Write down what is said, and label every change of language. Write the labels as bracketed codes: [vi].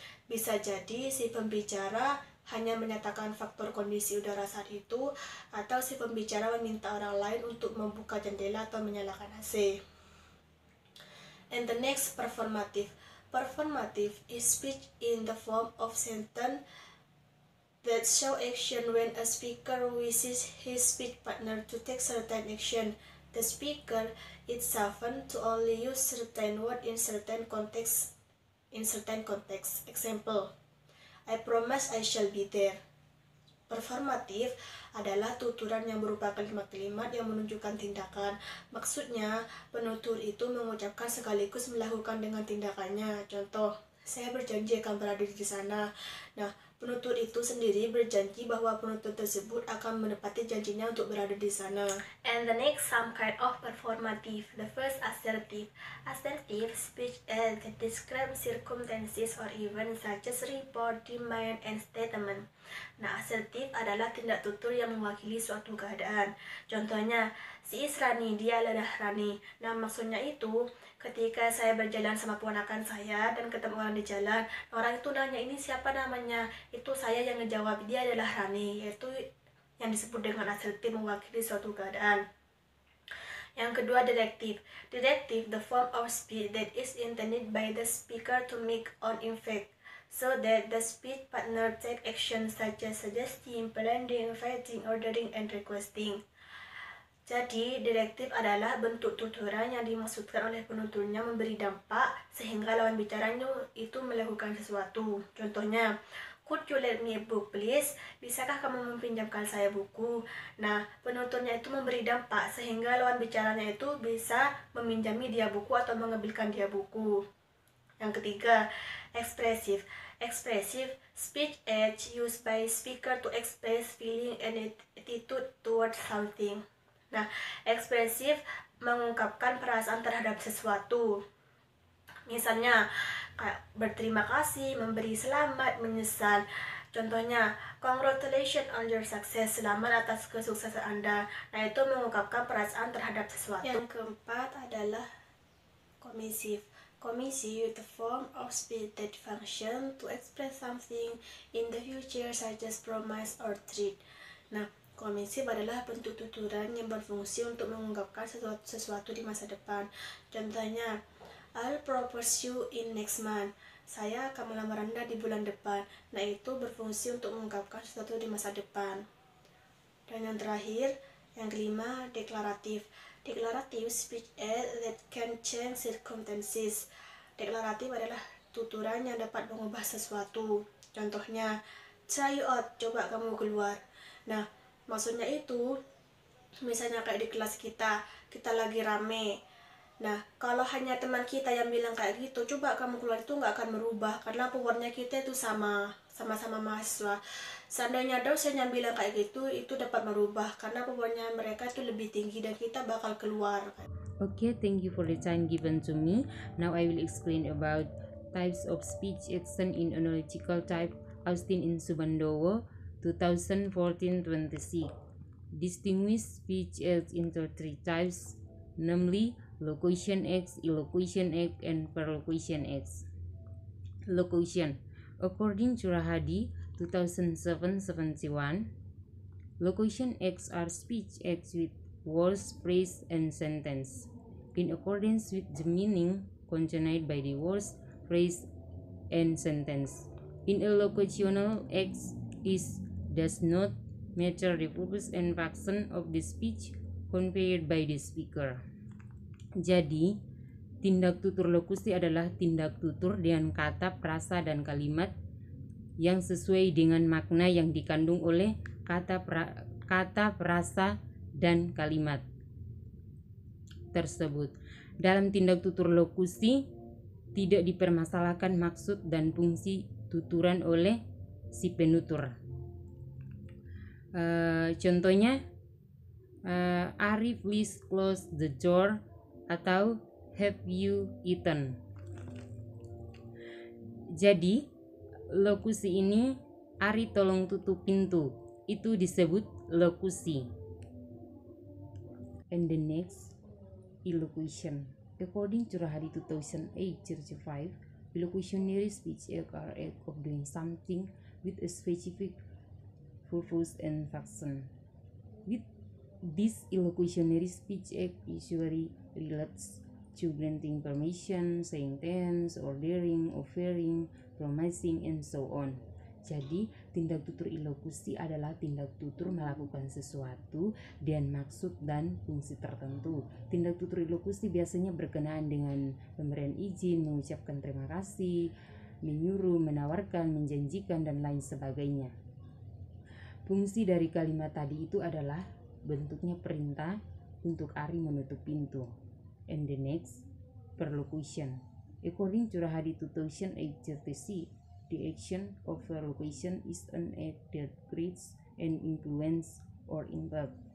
[id] Bisa jadi si pembicara hanya menyatakan faktor kondisi udara saat itu atau si pembicara meminta orang lain untuk membuka jendela atau menyalakan AC. [en] And the next, performative. Performative is speech in the form of sentence that show action when a speaker wishes his speech partner to take certain action. The speaker is often to only use certain word in certain context. Example, I promise I shall be there. [id] Performative adalah tuturan yang merupakan kalimat-kalimat yang menunjukkan tindakan. Maksudnya, penutur itu mengucapkan sekaligus melakukan dengan tindakannya. Contoh, saya berjanji akan berada di sana. Nah, penutur itu sendiri berjanji bahwa penutur tersebut akan menepati janjinya untuk berada di sana. [en] And the next, some kind of performative. The first, assertive. Assertive speech that describes circumstances or events such as report, demand, and statement. [id] Nah, assertive adalah tindak tutur yang mewakili suatu keadaan. Contohnya, si Israni, dia adalah Rani. Nah, maksudnya itu, ketika saya berjalan sama ponakan saya dan ketemu orang di jalan, orang itu nanya, ini siapa namanya? Itu saya yang menjawab, dia adalah Rani, yaitu yang disebut dengan assertive mewakili suatu keadaan. Yang kedua, directive. [en] Directive, the form of speech that is intended by the speaker to make on effect, so that the speech partner take action such as suggesting, planning, fighting, ordering, and requesting. [id] Jadi, direktif adalah bentuk tuturan yang dimaksudkan oleh penuturnya memberi dampak sehingga lawan bicaranya itu melakukan sesuatu. [en] Contohnya, could you lend me a book, please? [id] Bisakah kamu meminjamkan saya buku? Nah, penuturnya itu memberi dampak sehingga lawan bicaranya itu bisa meminjami dia buku atau mengambilkan dia buku. Yang ketiga, [en] expressive. Expressive speech act used by speaker to express feeling and attitude towards something. [id] Nah, ekspresif mengungkapkan perasaan terhadap sesuatu. Misalnya, kayak berterima kasih, memberi selamat, menyesal. Contohnya, [en] congratulations on your success, [id] selamat atas kesuksesan Anda. Nah, itu mengungkapkan perasaan terhadap sesuatu. Yang keempat adalah komisif. [en] Komisif, the form of speech that function to express something in the future such as promise or treat. [id] Nah, komisif adalah bentuk tuturan yang berfungsi untuk mengungkapkan sesuatu di masa depan. [en] Contohnya, I'll propose you in next month. [id] Saya akan melamar Anda di bulan depan. Nah, itu berfungsi untuk mengungkapkan sesuatu di masa depan. Dan yang terakhir, yang kelima, deklaratif. Deklaratif [en] speech that can change circumstances. [id] Deklaratif adalah tuturan yang dapat mengubah sesuatu. Contohnya, [en] try you out, [id] coba kamu keluar. Nah, maksudnya itu, misalnya kayak di kelas kita lagi rame. Nah, kalau hanya teman kita yang bilang kayak gitu, coba kamu keluar itu nggak akan merubah. Karena pewarnya kita itu sama-sama mahasiswa. Seandainya dosen yang bilang kayak gitu, itu dapat merubah. Karena pewarnya mereka itu lebih tinggi dan kita bakal keluar. [en] Okay, thank you for the time given to me. Now I will explain about types of speech action in analytical type Austin in Subandoa. 2014-26. Distinguish speech acts into three types, namely locution acts, elocution acts, and perlocution acts. Locution. According to Rahadi, 2007-71, locution acts are speech acts with words, phrase, and sentence. In accordance with the meaning conveyed by the words, phrase, and sentence. In elocutional acts is does not matter the purpose and function of the speech conveyed by the speaker. [id] Jadi, tindak tutur lokusi adalah tindak tutur dengan kata, frasa, dan kalimat yang sesuai dengan makna yang dikandung oleh kata, frasa, dan kalimat. tersebut. Dalam tindak tutur lokusi, tidak dipermasalahkan maksud dan fungsi tuturan oleh si penutur. [en] Contohnya, Arif, please close the door, atau have you eaten? [id] Jadi, lokusi ini, Ari tolong tutup pintu, itu disebut lokusi. [en] And the next, elocution. According to Rahari 2008, Church 5, elocutionary speech are act of doing something with a specific purpose and function. With this elocutionary speech act usually relates to granting permission, saying thanks, ordering, offering, promising, and so on. [id] Jadi, tindak tutur elokusi adalah tindak tutur melakukan sesuatu dan maksud dan fungsi tertentu. Tindak tutur elokusi biasanya berkenaan dengan pemberian izin, mengucapkan terima kasih, menyuruh, menawarkan, menjanjikan, dan lain sebagainya. Fungsi dari kalimat tadi itu adalah bentuknya perintah untuk Ari menutup pintu. [en] And the next, perlocution. According to Rahadi 2008, the action of perlocution is an act that creates an influence or impact.